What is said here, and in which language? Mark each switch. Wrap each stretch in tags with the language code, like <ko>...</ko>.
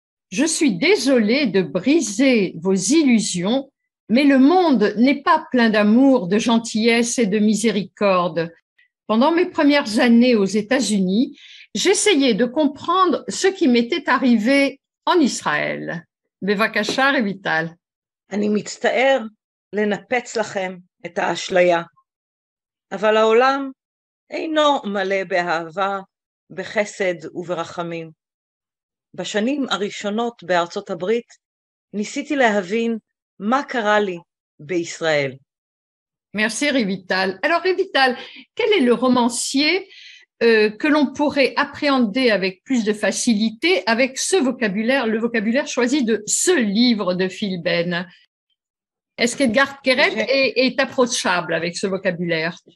<fr>Je suis désolée de briser vos illusions, mais le monde n'est pas plein d'amour, de gentillesse et de miséricorde. Pendant mes premières années aux États-Unis, j'essayais de comprendre ce qui m'était arrivé en Israël.</fr> <he>בבקשה, רויטל. אני מצטער לנפץ לכם את האשליה, אבל העולם אינו מלא באהבה, בחסד וברחמים. בשנים הראשונות בארצות הברית ניסיתי להבין מה קרה לי בישראל.</he> <fr>Merci, רויטל. Alors, רויטל, quel est le romancier que l'on pourrait appréhender avec plus de facilité avec ce vocabulaire, le vocabulaire choisi de ce livre de Phil Ben? Est-ce qu'Edgar Keret est approchable avec ce vocabulaire?</fr>